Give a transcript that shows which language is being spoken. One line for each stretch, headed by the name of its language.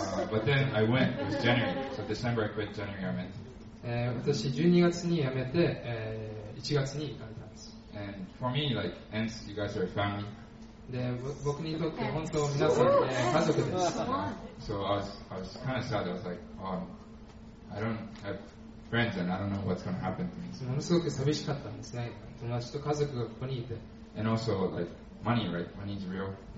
English: But then I went, it was January. So December I quit January, I went.
Japanese: 私12月に辞めて、1月に行かれたんです。
English: And for me, like, hence, you guys are family.
Japanese: で、僕にとって本当皆さん、家族です。
English: So I was kind of sad. I was like, I don't have friends and I don't know what's going to happen to me.
Japanese: ものすごく寂しかったんですね。友達と家族がここにいて。
English: And also, like,Money, right? Money is real.